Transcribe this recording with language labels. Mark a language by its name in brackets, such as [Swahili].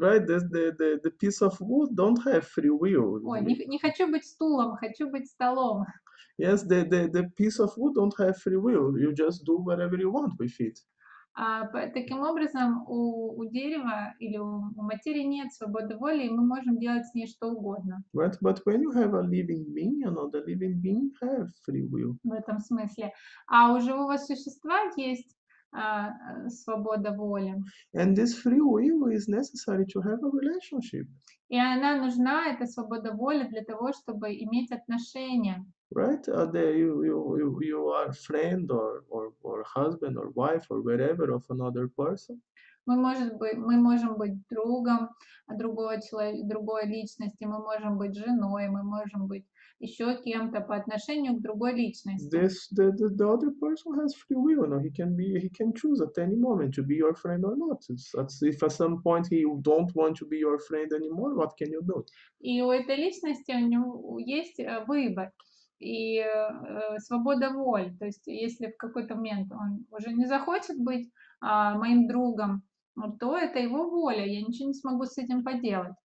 [English] Right, the piece of wood don't have free will. [Russian] Ой, не хочу быть стулом, хочу быть столом. [English] Yes, the piece of wood don't have free will. You just do whatever you want with it. [Russian] Таким образом, у дерева или у материи нет свободы воли, и мы можем делать с ней что угодно. [English] Right, but when you have a living being, you know, the living being have free will. [Russian] В этом смысле. А у живого существа есть свобода воли. [English] And this free will is necessary to have a relationship. [Russian] И она нужна, эта свобода воли, для того, чтобы иметь отношения. [English] Right, you are friend or husband or wife or whatever of another person. [Russian] Мы можем быть другом другого человека, другой личности. Мы можем быть женой. Мы можем быть еще кем-то по отношению к другой личности. [English] The other person has free will. You know, he can choose at any moment to be your friend or not. If at some point he don't want to be your friend anymore, what can you do? [Russian] И у этой личности у него есть выбор. И свобода воли, то есть если в какой-то момент он уже не захочет быть моим другом, то это его воля, я ничего не смогу с этим поделать.